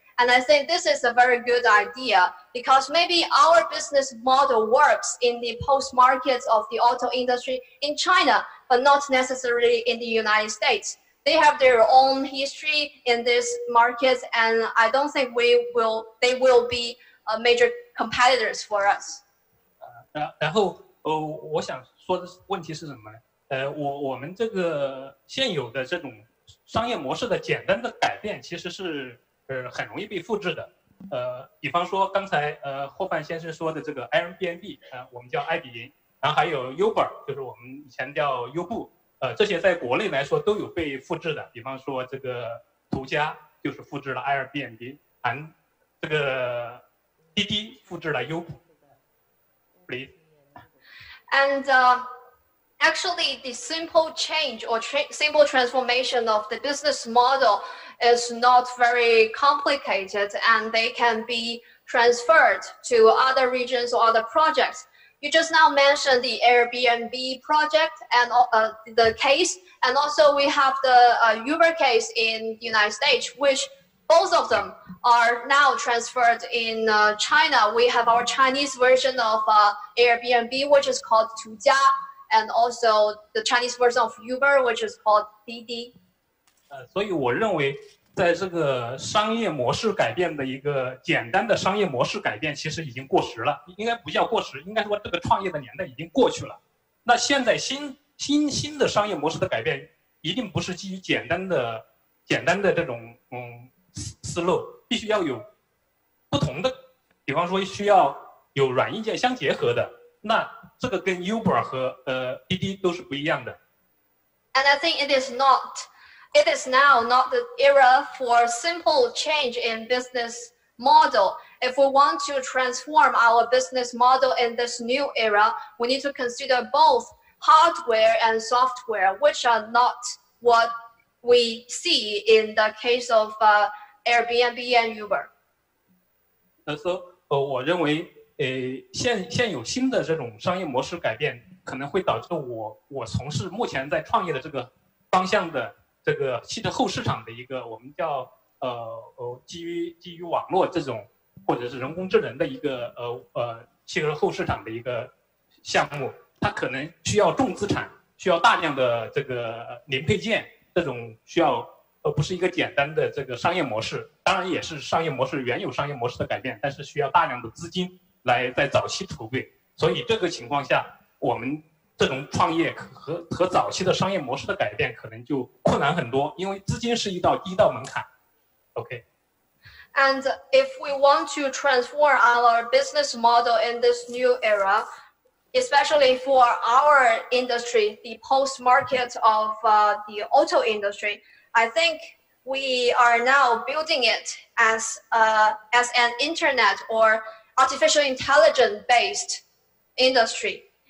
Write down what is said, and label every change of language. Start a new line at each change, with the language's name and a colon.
English: And I think this is a very good idea because maybe our business model works in the post-market of the auto industry in China. But not necessarily in the United States. They have their own history in this market, and I don't think they will be major competitors for us.
Chinese: 然后我想说的问题是什么呢？我们这个现有的这种商业模式的简单的改变，其实是很容易被复制的。比方说刚才霍范先生说的这个 Airbnb， 我们叫埃比营。然后还有 Uber， 就是我们以前叫优步，这些在国内来说都有被复制的。比方说这个途家就是复制了 Airbnb， 还这个滴滴复制了优步。
English: Please. And actually, the simple change or simple transformation of the business model is not very complicated, and they can be transferred to other regions or other projects. You just now mentioned the Airbnb project and the case, and also we have the Uber case in the United States, which both of them are now transferred in China. We have our Chinese version of Airbnb, which is called Tujia, and also the Chinese version of Uber, which is called Didi.
Chinese: 所以我认为在这个商业模式改变的一个简单的商业模式改变其实已经过时了，应该不叫过时，应该说这个创业的年代已经过去了。那现在新的商业模式的改变一定不是基于简单的这种思路，必须要有不同的，比方说需要有软硬件相结合的，那这个跟 Uber 和滴滴都是不一样的。
English: And I think it is now not the era for simple change in business model. If we want to transform our business model in this new era, we need to consider both hardware and software, which are not what we see in the case of Airbnb and Uber.
Chinese: So, 我认为现有新的这种商业模式改变可能会导致我从事目前在创业的这个方向的这个汽车后市场的一个我们叫基于网络这种或者是人工智能的一个汽车后市场的一个项目，它可能需要重资产，需要大量的这个零配件，这种需要而不是一个简单的这个商业模式，当然也是商业模式原有商业模式的改变，但是需要大量的资金来在早期筹备。所以这个情况下，我们这种创业和早期的商业模式的改变可能就困难很多，因为资金是一道门槛。
English: OK。 And if we want to transform our business model in this new era, especially for our industry, the post-market of the auto industry, I think we are now building it as an internet or artificial intelligence-based industry.